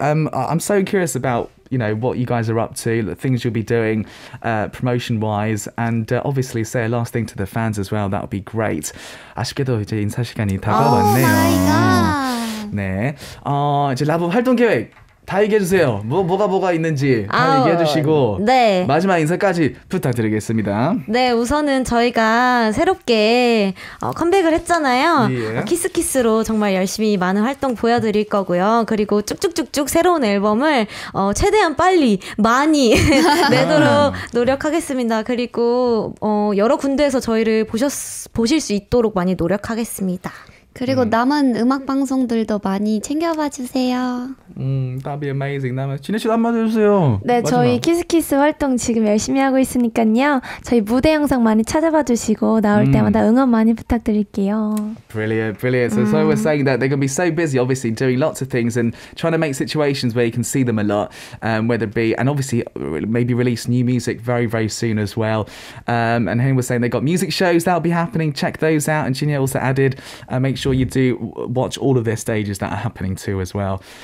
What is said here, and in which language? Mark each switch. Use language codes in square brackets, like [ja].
[en] I'm so curious about, you know, what you guys are up to, the things you'll be doing promotion-wise, and obviously say a last thing to the fans as well. That would be great. [ko] 아쉽게도 이제 인사 시간이 다가왔네요. [en] Oh my god. [ko] 네. 이제 라붐 활동 계획 다 얘기해 주세요. 뭐가 있는지 다 얘기해 주시고 네. 마지막 인사까지 부탁드리겠습니다. 네, 우선은 저희가 새롭게 컴백을 했잖아요. 예. 키스키스로 정말 열심히 많은 활동 보여드릴 거고요. 그리고 쭉쭉쭉쭉 새로운 앨범을 최대한 빨리 많이 내도록 노력하겠습니다. 그리고 여러 군데에서 저희를 보실 수 있도록 많이 노력하겠습니다. 그리고 남은 음악 방송들도 많이 챙겨봐 주세요. [en] That'd be amazing. [ko] 남은 진혜 씨도 한마디 해주세요. 네, 마지막. 저희 키스키스 활동 지금 열심히 하고 있으니까요. 저희 무대 영상 많이 찾아봐 주시고 나올 때마다 응원 많이 부탁드릴게요. [en] Brilliant, brilliant. So sorry we're saying that they're going to be so busy, obviously doing lots of things and trying to make situations where you can see them a lot, whether it be and obviously maybe release new music very, very soon as well. And Hayne was saying they got music shows that'll be happening. Check those out. And Jinya also added, make sure you do watch all of their stages that are happening too as well.